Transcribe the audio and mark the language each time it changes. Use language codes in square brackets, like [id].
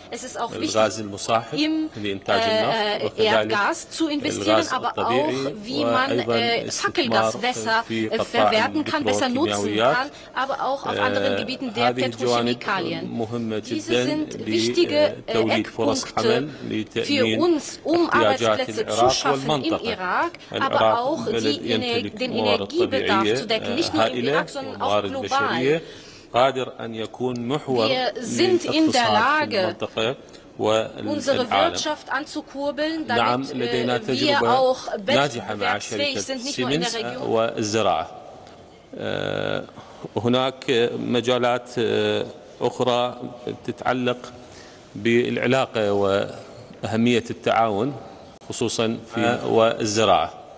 [de] Es ist auch wichtig, im Erdgas zu investieren, aber auch, wie man Fackelgaswässer verwerten kann, besser nutzen kann, aber auch auf anderen Gebieten der Petrochemikalien. Diese sind wichtige Eckpunkte für uns, um Arbeitsplätze zu schaffen im Irak, aber auch den Energiebedarf zu decken, nicht nur im Irak, sondern auch global. [ar] قادر أن يكون محور للاقتصاد في المنطقة. [de] Unsere Wirtschaft anzukurbeln, damit wir auch wettbewerbsfähig sind, nicht nur in der Region. [ar] هناك مجالات أخرى تتعلق بالعلاقة وأهمية التعاون خصوصا في الزراعة.